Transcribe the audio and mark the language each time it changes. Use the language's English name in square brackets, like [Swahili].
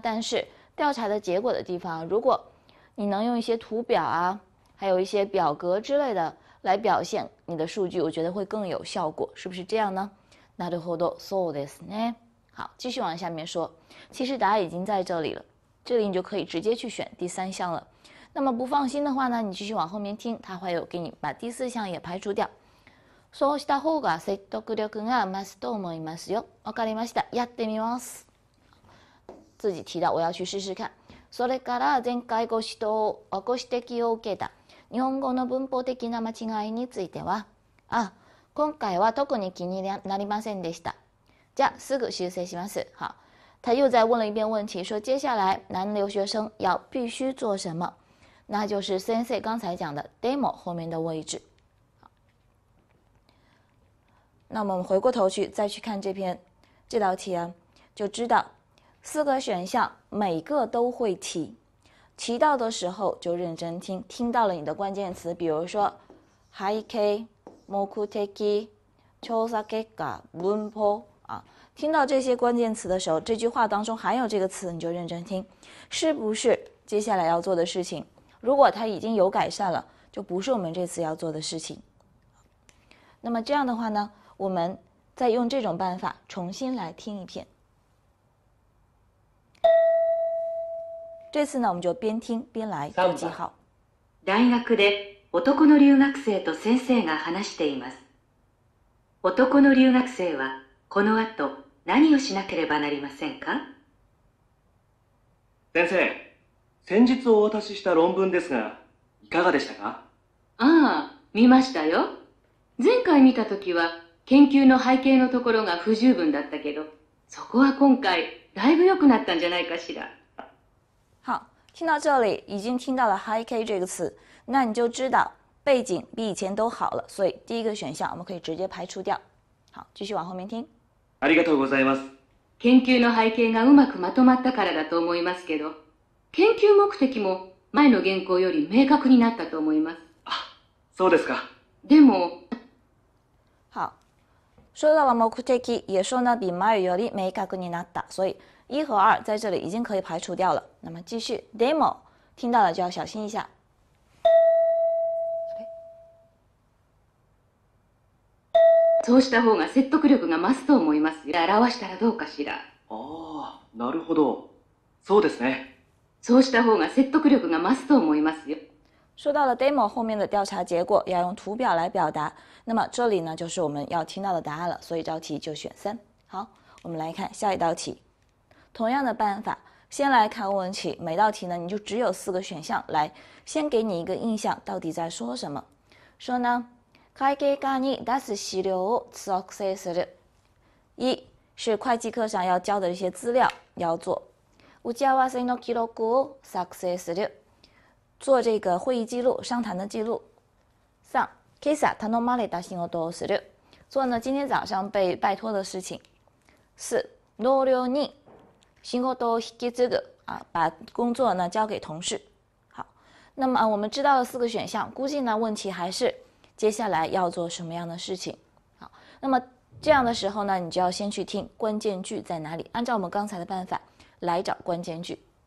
[Chinese] 但是调查的结果的地方，如果你能用一些图表啊，还有一些表格之类的来表现你的数据，我觉得会更有效果，是不是这样呢？ [Japanese] なるほど、そうですね。 [Chinese] 好，继续往下面说。其实答案已经在这里了，这里你就可以直接去选第三项了。那么不放心的话呢，你继续往后面听，他会有给你把第四项也排除掉。 [Japanese] そうした方が説得力が増すと思いますよ。わかりました。やってみます。 [Chinese] 自己提到我要去试试看。 [Japanese] それから前回ご指摘を受けた日本語の文法的な間違いについては、あ、今回は特に気になりませんでした。じゃあすぐ修正します。 [Chinese] 好，他又再问了一遍问题，说接下来男留学生要必须做什么？那就是先生刚才讲的 demo 后面的位置。那我们回过头去再去看这篇这道题啊，就知道四个选项每个都会提，提到的时候就认真听，听到了你的关键词，比如说背景、目的、調査結果、文法啊，听到这些关键词的时候，这句话当中含有这个词，你就认真听，是不是接下来要做的事情？如果他已经有改善了，就不是我们这次要做的事情。那么这样的话呢，我们再用这种办法重新来听一遍。这次呢，我们就边听边来做记号。 [Japanese] 大学で男の留学生と先生が話しています。男の留学生はこの後何をしなければなりませんか？先生。先日お渡しした論文ですが、いかがでしたか？ああ、見ましたよ。前回見たときは、研究の背景のところが不十分だったけど、そこは今回、だいぶ良くなったんじゃないかしら。 [Chinese] 好、听到这里、已经听到了背景这个词。那你就知道、背景比以前都好了。所以、第一个选项、我们可以直接排除掉。好、继续往后面听。 [Japanese] ありがとうございます。研究の背景がうまくまとまったからだと思いますけど、研究目的も前の原稿より明確になったと思います。あ、そうですか。でも、 [Chinese] 好、说到了目的，也说呢比 [Japanese] 前より明確になった。 [Chinese] 所以一和二在这里已经可以排除掉了。那么继续、でも、听到了就要小心一下。 [Japanese] そうした方が説得力が増すと思います。表したらどうかしら。ああ、なるほど。そうですね。そうした方が説得力が増すと思いますよ。 [Chinese] 说到了 demo 后面的调查结果要用图表来表达，那么这里呢就是我们要听到的答案了，所以这道题就选三。好，我们来看下一道题，同样的办法，先来看问题，每道题呢你就只有四个选项，来先给你一个印象到底在说什么。说呢， [Japanese] 会计課に出す資料を記録する。 [Chinese] 一是会计课上要交的一些资料要做。 [Japanese] 打ち合わせの記録を作成する。 [Chinese] 做这个会议记录，商谈的记录。 [Japanese] 三、今朝頼まれた仕事をする。 [Chinese] 做呢今天早上被拜托的事情。 [Japanese] 四、同僚に仕事を引き継ぐ、 [Chinese] 啊、把工作呢交给同事。好，那么我们知道了四个选项，估计呢问题还是接下来要做什么样的事情。好，那么这样的时候呢你就要先去听关键句在哪里，按照我们刚才的办法来找关键句。